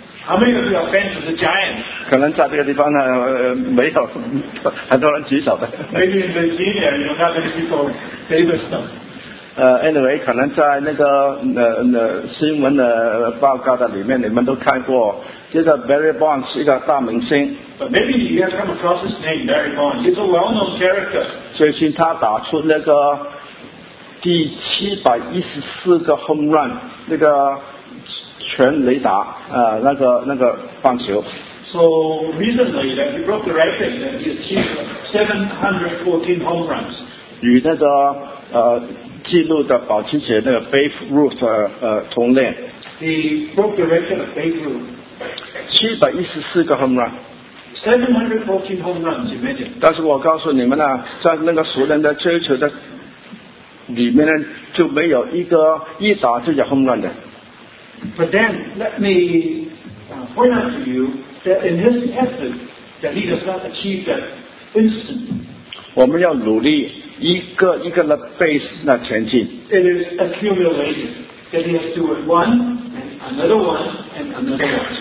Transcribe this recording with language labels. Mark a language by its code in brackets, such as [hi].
[en] How many of you are fans of the Giants? [zh] 可能在这个地方呢，没有很多人举手的。 [en] Maybe in Virginia, you don't have any people famous though. [zh] Anyway, 可能在那个新闻的报告的里面，你们都看过，就是 Barry Bonds 一个大明星。 [en] But maybe you have come across his name, Barry Bonds. He's a well-known character. [zh] 最近他打出那个第714个 home run， 那个全垒打，那个棒球。 [en] So recently, that he broke the record, that he achieved 714 home runs. [zh] 与那个记录的保持者那个 Babe Ruth 同练。 [en] He broke the record of Babe Ruth. [zh] 714个 home run. [en] 714 home runs, imagine. [zh] 但是我告诉你们呢，在那个熟人的追求的里面呢，就没有一个一打就有 home run 的。 [en] But then let me point out to you that in his effort, that he does not achieve that instant. [zh] 我们要努力。一个一个的 base 那前进。 [en] It is accumulated. That he has to do one and another one and another one.